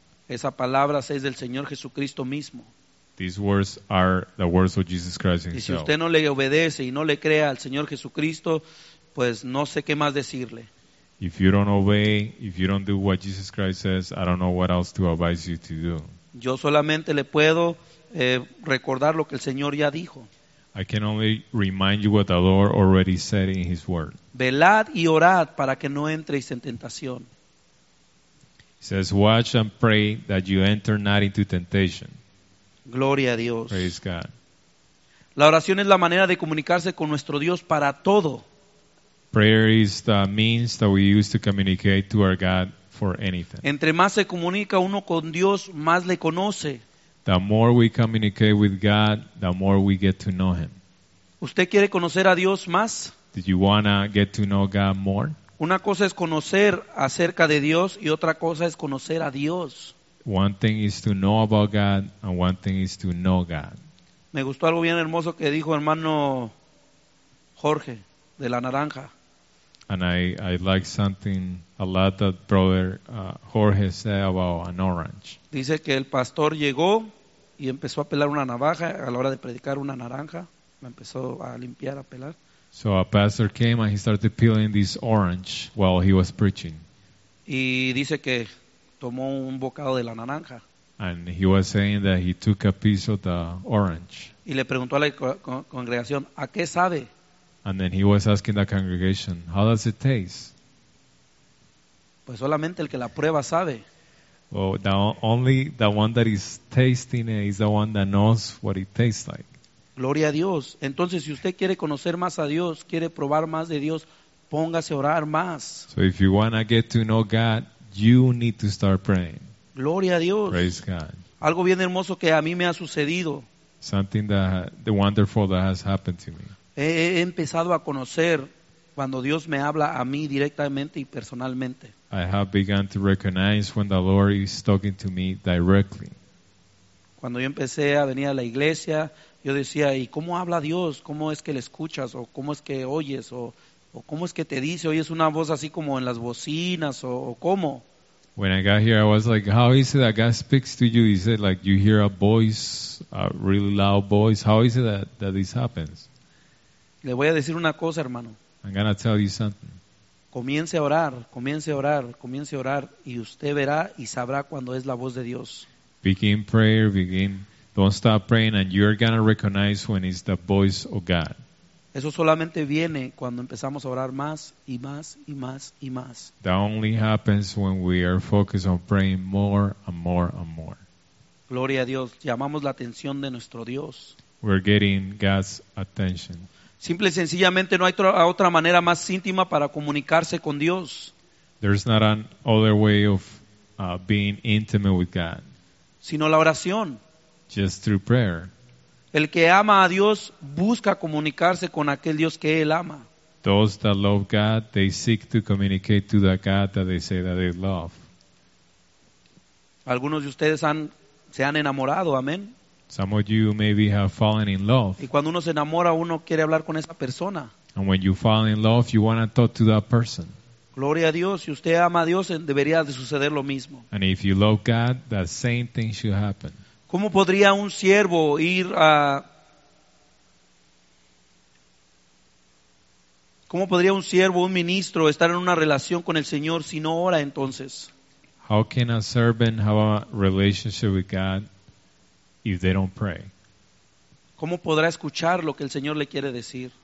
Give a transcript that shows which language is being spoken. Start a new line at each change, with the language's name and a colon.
Spanish: Esa palabra es del Señor Jesucristo mismo.
English: These words are the words of Jesus Christ himself.
Spanish: Y si usted no le obedece y no le crea al Señor Jesucristo, pues no sé qué más decirle.
English: If you don't obey, if you don't do what Jesus Christ says, I don't know what else to advise you to do.
Spanish: Yo solamente le puedo recordar lo que el Señor ya dijo.
English: I can only remind you what the Lord already said in His Word.
Spanish: Velad y orad para que no entréis en tentación.
English: He says, watch and pray that you enter not into temptation.
Spanish: Gloria a Dios.
English: Praise God.
Spanish: La oración es la manera de comunicarse con nuestro Dios para todo.
English: Prayer is the means that we use to communicate to our God for anything.
Spanish: Entre más se comunica uno con Dios, más le conoce.
English: The more we communicate with God, the more we get to know Him.
Spanish: ¿Usted quiere conocer a Dios más?
English: Did you want to get to know God more?
Spanish: Una cosa es conocer acerca de Dios y otra cosa es conocer a Dios.
English: One thing is to know about God and one thing is to know God.
Spanish: Me gustó algo bien hermoso que dijo hermano Jorge de la Naranja.
English: And I like something a lot that brother Jorge said about an orange.
Spanish: Dice que el pastor llegó y empezó a pelar una navaja a la hora de predicar una naranja. Me empezó a limpiar, a pelar.
English: So a pastor came and he started peeling this orange while he was preaching.
Spanish: Y dice que tomó un bocado de la naranja.
English: And he was saying that he took a piece of the orange.
Spanish: Y le preguntó a la congregación, ¿a qué sabe?
English: And then he was asking the congregation, how does it taste?
Spanish: Pues solamente el que la prueba sabe.
English: Well, the only the one that is tasting it is the one that knows what it tastes like.
Spanish: Gloria a Dios. Entonces, si usted quiere conocer más a Dios, quiere probar más de Dios, póngase a orar más.
English: So if you want to get to know God, you need to start praying.
Spanish: Gloria a Dios.
English: Praise God.
Spanish: Algo bien hermoso que a mí me ha sucedido.
English: Something that the wonderful that has happened to me.
Spanish: He empezado a conocer cuando Dios me habla a mí directamente y personalmente.
English: I have begun to recognize when the Lord is talking to me directly.
Spanish: Cuando yo empecé a venir a la iglesia, yo decía, ¿y cómo habla Dios? ¿Cómo es que le escuchas? ¿O cómo es que oyes? ¿O cómo es que te dice? ¿Oyes una voz así como en las bocinas? ¿O cómo?
English: When I got here, I was like, how is it that God speaks to you? Is it like you hear a voice, a really loud voice? How is it that this happens?
Spanish: Le voy a decir una cosa, hermano.
English: I'm going to tell you something.
Spanish: Comience a orar, comience a orar, comience a orar, y usted verá y sabrá cuando es la voz de Dios.
English: Begin prayer, begin. Don't stop praying, and you're going to recognize when it's the voice of God.
Spanish: Eso solamente viene cuando empezamos a orar más y más y más y más.
English: That only happens when we are focused on praying more and more and more.
Spanish: Gloria a Dios. Llamamos la atención de nuestro Dios.
English: We're getting God's attention.
Spanish: Simple y sencillamente no hay otra manera más íntima para comunicarse con Dios.
English: There's not an other way of being intimate with God.
Spanish: Sino la oración.
English: Just through prayer.
Spanish: El que ama a Dios busca comunicarse con aquel Dios que él ama.
English: Those that love God, they seek to communicate to the God that they say that they love.
Spanish: Algunos de ustedes se han enamorado, amén.
English: Some of you maybe have fallen in love.
Spanish: Y cuando uno se enamora, uno quiere hablar con esa persona.
English: And when you fall in love, you want to talk to that person.
Spanish: Gloria a Dios. Si usted ama a Dios, debería de suceder lo mismo.
English: And if you love God, the same thing should happen.
Spanish: ¿Cómo podría un siervo ir a... ¿Cómo podría un siervo, un ministro, estar en una relación con el Señor si no ora entonces?
English: How can a servant have a relationship with God if they don't pray?
Spanish: ¿Cómo podrá escuchar lo que el Señor le quiere decir?